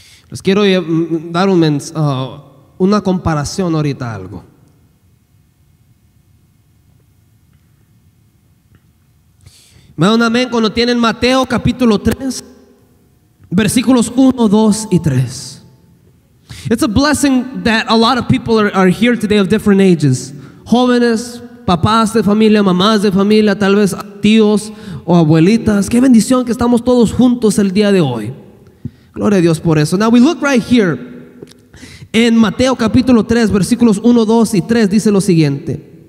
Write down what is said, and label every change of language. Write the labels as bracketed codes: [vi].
[es] Les quiero dar una comparación ahorita a algo. ¿Me dan amén cuando tienen Mateo capítulo 3, versículos 1, 2 y 3? [en] It's a blessing that a lot of people are here today of different ages. [es] Jóvenes, papás de familia, mamás de familia, tal vez tíos o abuelitas. Qué bendición que estamos todos juntos el día de hoy. Gloria a Dios por eso. [en] Now we look right here in [es] Mateo capítulo 3, versículos 1, 2 y 3, dice lo siguiente.